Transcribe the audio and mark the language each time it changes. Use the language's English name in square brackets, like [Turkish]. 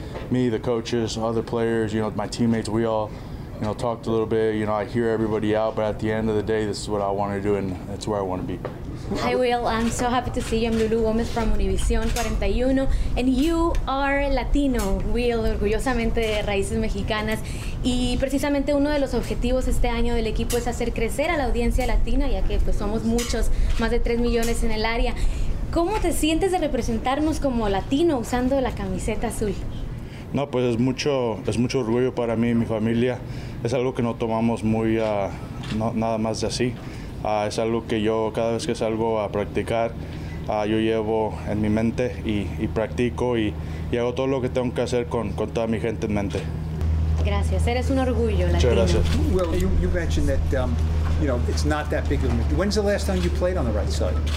[English] Me, the coaches, other players, you know, my teammates, we all, you know, talked a little bit, you know, I hear everybody out, but at the end of the day, this is what I want to do, and it's where I want to be. Hi, Will. I'm so happy to see you. I'm Lulu Gomez from Univision 41, and you are Latino, Will, [Spanish] orgullosamente de raíces mexicanas. Y precisamente uno de los objetivos este año del equipo es hacer crecer a la audiencia latina, ya que pues somos muchos, más de 3 millones en el área. ¿Cómo te sientes de representarnos como latino usando la camiseta azul? No, pues es mucho orgullo para mí y mi familia. Es algo que no tomamos muy nada más de así. Es algo que yo cada vez que salgo a practicar, yo llevo en mi mente y practico y hago todo lo que tengo que hacer con toda mi gente en mente. Gracias. Eres un orgullo, latino. Muchas gracias. [English] Well, you mentioned that you know, it's not that big of a move. When's the last time you played on the right side?